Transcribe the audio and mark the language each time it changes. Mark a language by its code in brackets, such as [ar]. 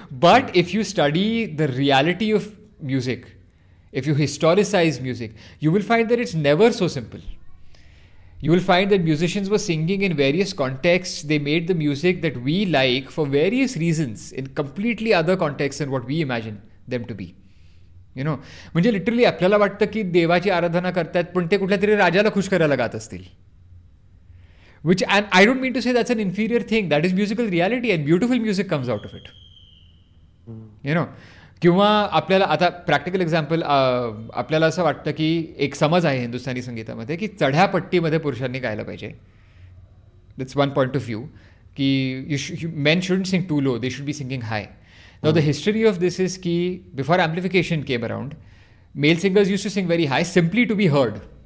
[en] But if you study the reality of music, if you historicize music, you will find that it's never so simple. You will find that musicians were singing in various contexts. They made the music that we like for various reasons in completely other contexts than what we imagine them to be. You know, [mr] म्हणजे literally आपल्याला वाटतं की देवाची आराधना करतात पण ते कुठल्या तरी राजाला खुश करायला गात असतील. [en] Which, and I don't mean to say that's an inferior thing. That is musical reality and beautiful music comes out of it. You know, [mr] किंवा आपल्याला आता प्रॅक्टिकल एक्झाम्पल, आपल्याला असं वाटतं की एक समज आहे हिंदुस्थानी संगीतामध्ये की चढ्या पट्टीमध्ये पुरुषांनी गायला पाहिजे. [en] That's one point of view की men shouldn't sing too low, they should be singing high. Now the history of this is की before amplification came around, male singers used to sing very high simply to be heard.